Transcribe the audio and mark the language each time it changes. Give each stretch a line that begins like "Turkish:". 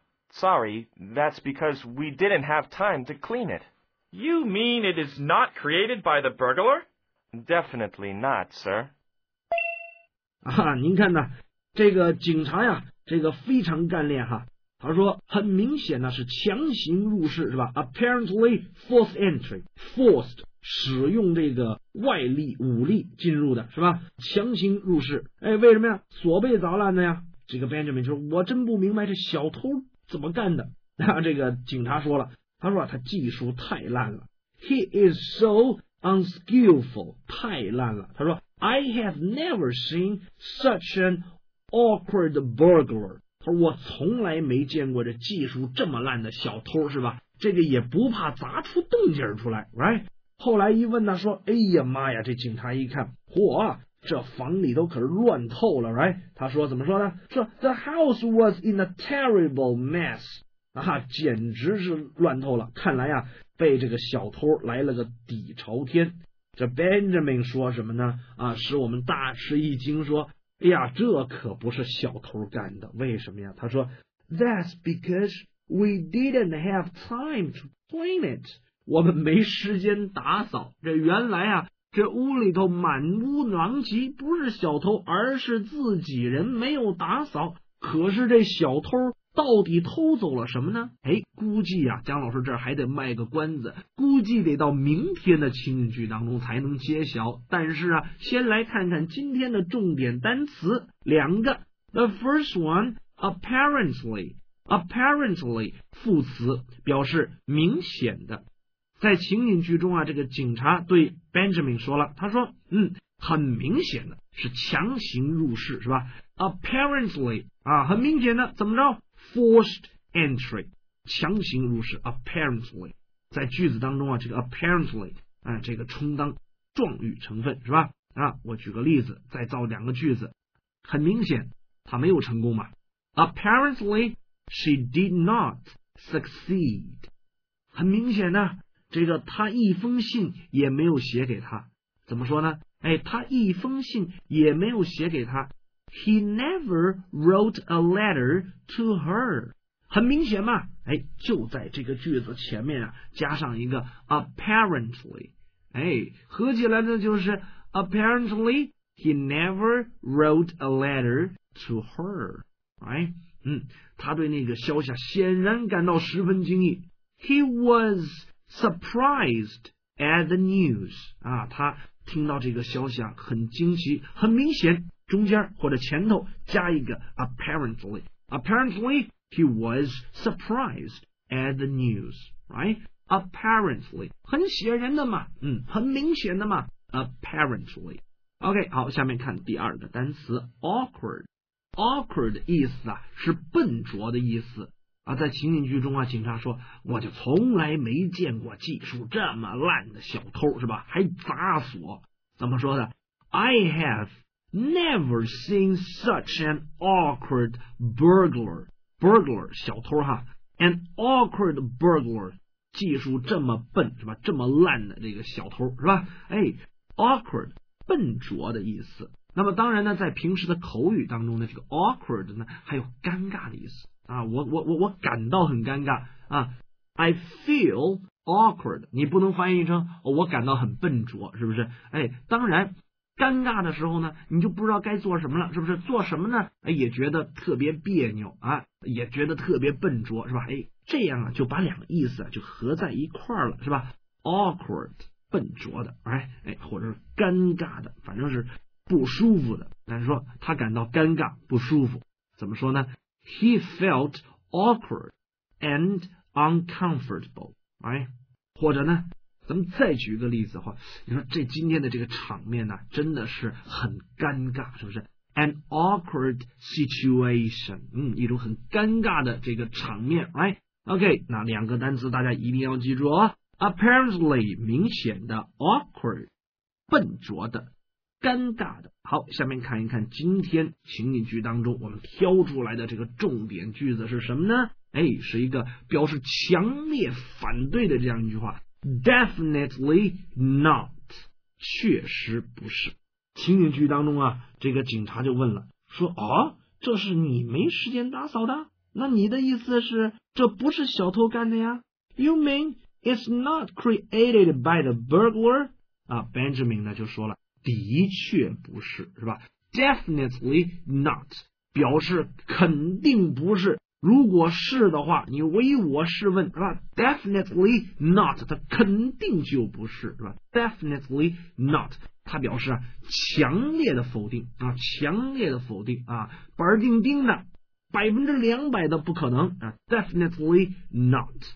English: Sorry, that's because we didn't have time to clean it. You mean it is not created by the burglar? Definitely not, sir.
Chinese: 啊，您看呢，这个警察呀，这个非常干练哈。他说很明显呢是强行入室，是吧？
English: Apparently forced entry. Forced.
Chinese: 使用这个外力武力进入的，是吧？强行入室。哎，为什么呀？锁被砸烂的呀。这个 Benjamin 说，我真不明白这小偷怎么干的。那这个警察说了，他说他技术太烂了，
English: He is so unskillful，
Chinese: 太烂了。他说
English: I have never seen such an awkward burglar，
Chinese: 他说我从来没见过这技术这么烂的小偷，是吧？这个也不怕砸出动静出来， right？ 后来一问他说，哎呀妈呀，这警察一看，嚯，这房里都可是乱透了， right？他说怎么说呢？说
English: The house was in a terrible mess，
Chinese: 啊，简直是乱透了，看来呀，被这个小偷来了个底朝天。这 Benjamin 说什么呢？啊，使我们大吃一惊，说，哎呀，这可不是小偷干的，为什么呀？
English: 他说 That's because we didn't have time to clean it，
Chinese: 我们没时间打扫。这原来啊，这屋里头满屋狼藉，不是小偷，而是自己人没有打扫。可是这小偷到底偷走了什么呢？哎，估计啊，江老师这还得卖个关子，估计得到明天的情景剧当中才能揭晓。但是啊，先来看看今天的重点单词，两个。
English: The first one
Chinese: Apparently, 副词表示明显的。在情景剧中啊，这个警察对 Benjamin 说了，他说，嗯，很明显的是强行入室，是吧？ Apparently, 啊，很明显的，怎么着？ Forced entry, 强行入室， apparently。在句子当中啊，这个 apparently, 啊，这个充当状语成分，是吧？啊，我举个例子，再造两个句子。很明显，他没有成功嘛。
English: Apparently, she did not succeed.
Chinese: 很明显呢，这个他一封信也没有写给他。怎么说呢？哎，他一封信也没有写给他。
English: He never wrote a letter to her.
Chinese: 很明显嘛，哎，就在这个句子前面啊，加上一个 apparently, 哎，合起来呢就是
English: apparently he never wrote a letter to her. Right?
Chinese: 嗯，他对那个消息显然感到十分惊异。
English: He was surprised at the news.
Chinese: 啊，他听到这个消息啊，很惊奇，很明显。中间或者前头加一个 apparently.
English: Apparently, he was surprised at the news. Right? Apparently.
Chinese: 很显然的嘛，嗯，很明显的嘛。Apparently. OK, 好，下面看第二个单词 awkward. Awkward 意思啊，是笨拙的意思。啊，在情景剧中啊，警察说，我就从来没见过技术这么烂的小偷，是吧？还砸锁。怎么说的？
English: I have never seen such an awkward burglar.
Chinese: Burglar, 小偷哈。An awkward burglar, 技术这么笨，是吧？这么烂的这个小偷，是吧？哎， awkward, 笨拙的意思。那么当然呢，在平时的口语当中呢，这个 awkward 呢，还有尴尬的意思。啊，我感到很尴尬啊 ，
English: I feel awkward。
Chinese: 你不能翻译成、哦、我感到很笨拙，是不是？哎，当然，尴尬的时候呢，你就不知道该做什么了，是不是？做什么呢？哎，也觉得特别别扭啊，也觉得特别笨拙，是吧？哎，这样啊，就把两个意思、啊、就合在一块了，是吧 ？awkward， 笨拙的，哎，或者是尴尬的，反正是不舒服的。但是说他感到尴尬不舒服，怎么说呢？
English: He felt awkward and uncomfortable, right?
Chinese: 或者呢，咱们再举一个例子的话，你说这今天的这个场面呢、啊，真的是很尴尬，是不是 ？
English: An awkward situation,
Chinese: 嗯，一种很尴尬的这个场面 ，right? OK, 那两个单词大家一定要记住哦。Apparently, 明显的 awkward, 笨拙的。尴尬的。好，下面看一看今天情景剧当中我们挑出来的这个重点句子是什么呢？哎，是一个表示强烈反对的这样一句话。
English: Definitely not.
Chinese: 确实不是。情景剧当中啊，这个警察就问了，说哦，这是你没时间打扫的？那你的意思是这不是小偷干的呀？
English: You mean it's not created by the burglar?
Chinese: 啊， Benjamin 呢就说了，的确不是，是吧 ？Definitely not 表示肯定不是。如果是的话，你唯我试问，是吧 ？Definitely not， 它肯定就不是，是吧 ？Definitely not， 它表示啊强烈的否定啊，强烈的否定啊，板钉钉的，200%的不可能啊 ，Definitely not。